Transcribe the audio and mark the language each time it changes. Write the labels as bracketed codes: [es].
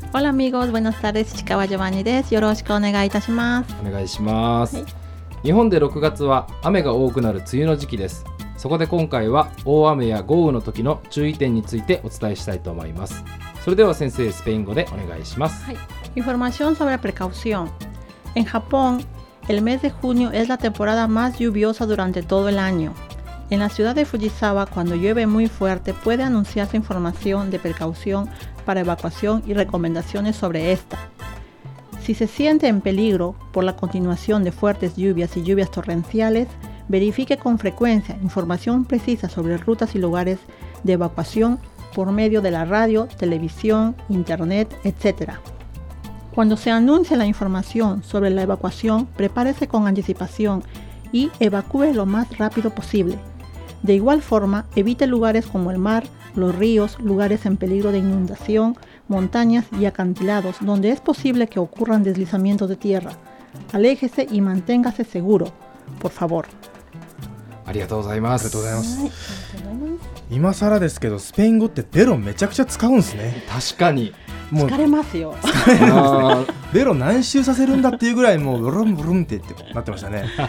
[es] ホラミゴーズ、ブエノスタ [ja] です。市川ジョバンニです。よろしくお願いいたします。お願いします、はい、日本で6月は雨が多くなる梅雨の時期です。そこで今回は大雨や豪雨の時の注意点についてお伝えしたいと思います。それでは先生、スペイン語でお願いします。 [es] インフォメーションソブラプレカウシオン。 En Japón, el mes de junio es la temporada más lluviosa durante todo el año. En la ciudad de Fujisawa, cuando llueve muy fuerte, puede anunciarse información de precaución para evacuación y recomendaciones sobre esta. Si se siente en peligro por la continuación de fuertes lluvias y lluvias torrenciales, verifique con frecuencia información precisa sobre rutas y lugares de evacuación por medio de la radio, televisión, internet, etc. Cuando se anuncie la información sobre la evacuación, prepárese con anticipación y evacúe lo más rápido posible. De igual forma, evite lugares como el mar, los ríos, lugares en peligro de inundación, montañas y acantilados donde es posible que ocurran deslizamientos de tierra. Aléjese y manténgase seguro, por favor. [ja] ありがとうございます。ありがとうございます。今更ですけど、スペイン語ってベロめちゃくちゃ使うんですね。確かに。もう疲れますよ。ベロ何周させるんだっていうぐらいもうブルンブルンってなってましたね。